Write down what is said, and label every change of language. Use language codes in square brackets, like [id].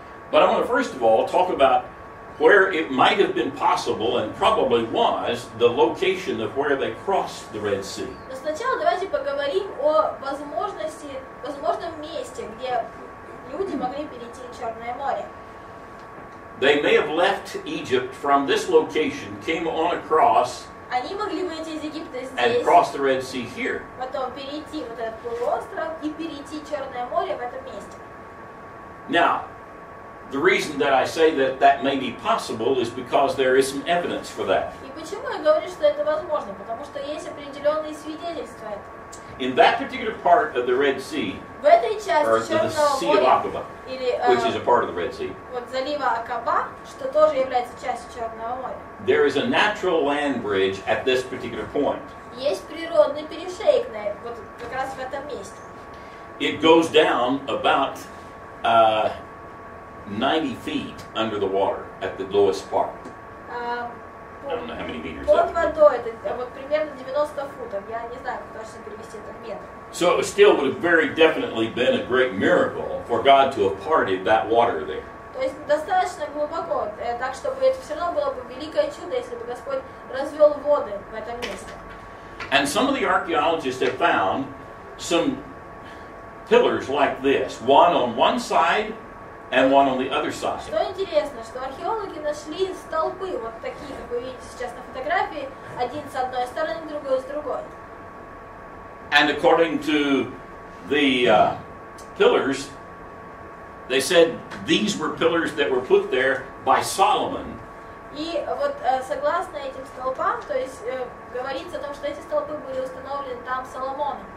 [en] But I want to first of all talk about where it might have been possible and probably was the location of where they crossed the Red Sea. [ru] Но сначала давайте поговорим о возможности, возможном месте, где люди могли перейти Черное море. [en] They may have left Egypt from this location, came on across. [ru] Они могли выйти из Египта здесь, [en] and cross the Red Sea here. [ru] Потом перейти вот этот полуостров и перейти Черное море в этом месте. [en] Now, the reason that I say that that may be possible is because there is some evidence for that. [ru] И почему я говорю, что это возможно? Потому что есть определенные свидетельства этого. [en] In that particular part of the Red Sea, [ru] в этой части [en] or [ru] Черного [en] the Sea [ru] моря, [en] of Aqaba, [ru] или, [en] which is a part of the Red Sea, [ru] вот залива Акаба, что тоже является частью Черного моря, [en] there is a natural land bridge at this particular point. [ru] Есть природный перешейк на, вот как раз в этом месте. [en] It goes down about 90 feet under the water at the lowest part. I don't know how many meters. [ru] Под водой это вот примерно 90 футов. Я не знаю, как точно перевести это в метр. [en] So it still would have very definitely been a great miracle for God to have parted that water there. [ru] То есть достаточно глубоко, так чтобы это все равно было бы великое чудо, если бы Господь развел воды в этом месте. [en] And some of the archaeologists have found some pillars like this, one on one side and one on the other side. [ru] Что интересно, что археологи нашли столбы вот такие, как вы видите сейчас на фотографии, один с одной стороны, другой с другой. [en] And according to the pillars, they said these were pillars that were put there by Solomon. [ru] И вот согласно этим столбам, то есть говорится о том, что эти столбы были установлены там Соломоном.